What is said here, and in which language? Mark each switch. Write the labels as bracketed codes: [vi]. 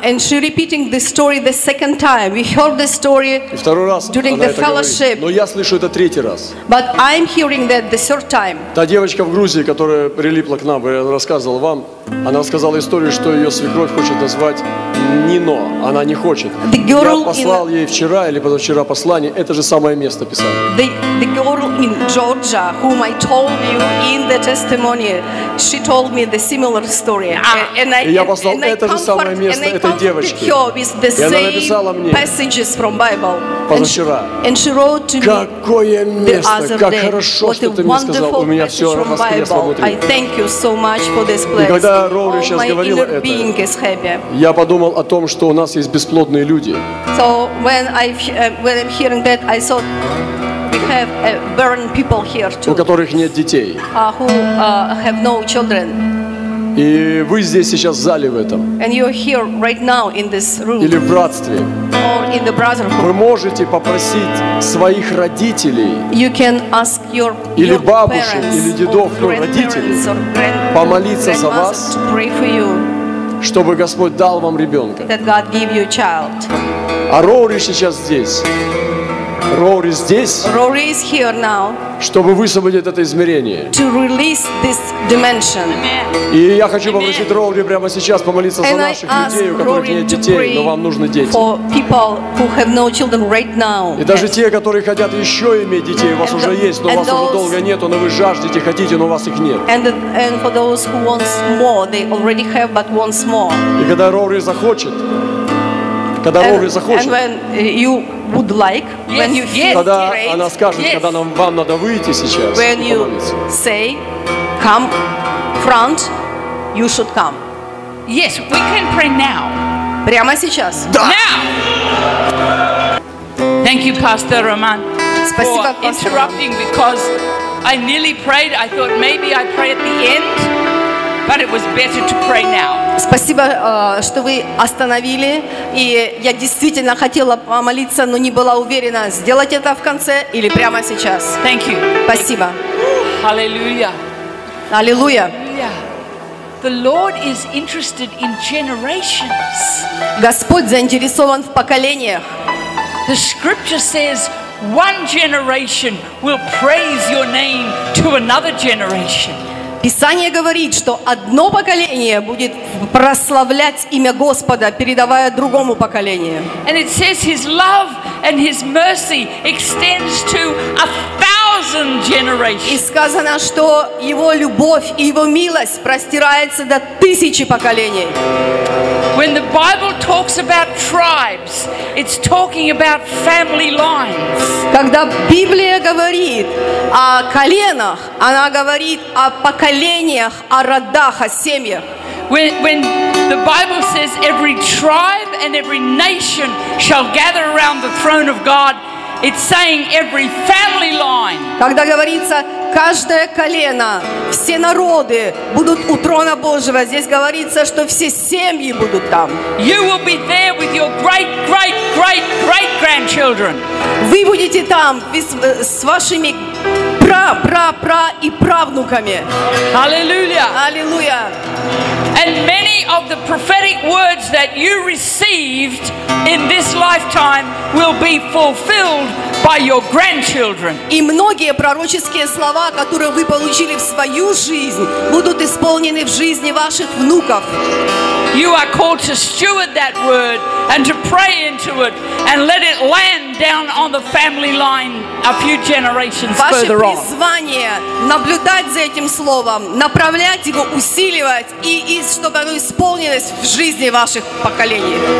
[en] And she repeating the story the second time. We heard the story during the fellowship. [ru] Но я слышу это третий раз. [en] But I'm hearing that the third time. [ru] Та девочка в Грузии, которая прилипла к нам, я рассказывал вам, она рассказала историю, что ее свекровь хочет назвать Нино. Она не хочет. Я послал ей вчера или позавчера послание. Это же самое место писали. [en] The girl in Georgia, whom I told you in the testimony, she told me the similar story. And I [ru] я послал это же самое место этой девочке. И она написала мне позавчера. Какое место! Как хорошо, что ты мне сказал. У меня все воскрес внутри. И когда Роури сейчас говорила это, я подумал о том, что у нас есть бесплодные люди. [en] So when I'm hearing that, I thought we have barren people here too. [ru] У которых нет детей. [en] Who have no children. [ru] И вы здесь сейчас в зале в этом. [en] And you're here right now in this room. [ru] Или в братстве. [en] Or in the brotherhood. [ru] Вы можете попросить своих родителей. [en] You can ask your parents. [ru] Или бабушек, или дедов, но родителей. Помолиться за вас. [en] To pray for you. [ru] Чтобы Господь дал вам ребенка. [en] That God give you a child. [ru] А Роури сейчас здесь. Роури здесь. [en] Роури is here now. [ru] Чтобы высвободить это измерение. [en] To release this dimension. [ru] И я хочу попросить Роури прямо сейчас помолиться [en] and [ru] за наших людей, у которых нет детей, но вам нужны дети. [en] For people who have no children right now. [ru] И даже те, которые хотят еще иметь детей, у вас уже есть, но вас уже долго нет, но вы жаждете, хотите, но у вас их нет. [en] And for those who want more, they already have but want more. [ru] И когда Роури захочет, когда Роури захочет. [en] And when you would like, yes, when you yes, [ru] когда [en] great, [ru] она скажет, [en] yes. [ru] Когда нам вам надо выйти сейчас. [en] When you say, come front, you should come. Yes, we can pray now. [ru] Прямо сейчас. Да. [en] Now. Thank you, Pastor Roman, for interrupting, because I nearly prayed. I thought maybe I'd pray at the end, but it was better to pray now. [ru] Спасибо, что вы остановили, и я действительно хотела помолиться, но не была уверена, сделать это в конце или прямо сейчас. [en] Thank you. [ru] Спасибо. Аллилуйя. Аллилуйя. [en] The Lord is interested in generations. [ru] Господь заинтересован в поколениях. [en] The scripture says one generation will praise your name to another generation. [ru] Писание говорит, что одно поколение будет прославлять имя Господа, передавая другому поколению. [en] And it says his love and his mercy extends to a thousand generations. [ru] И сказано, что его любовь и его милость простирается до тысячи поколений. [en] When the Bible talks about tribes, it's talking about family lines. [ru] Когда Библия говорит о коленах, она говорит о поколениях, о родах, о семьях. [en] When the Bible says every tribe and every nation shall gather around the throne of God, it's saying every family line. [ru] Когда говорится каждое колено, все народы будут у трона Божьего, здесь говорится, что все семьи будут там. [en] You will be there with your great, great, great, great grandchildren. [ru] Вы будете там с вашими пра-пра-пра и правнуками. Аллилуйя. Аллилуйя. [en] And many of the prophetic words that you received in this lifetime will be fulfilled by your grandchildren. [ru] И многие пророческие слова, которые вы получили в свою жизнь, будут исполнены в жизни ваших внуков. [en] You are called to steward that word and to pray into it and let it land down on the family line a few generations further on. [ru] Ваше призвание наблюдать за этим словом, направлять его, усиливать, и чтобы оно исполнилось в жизни ваших поколений.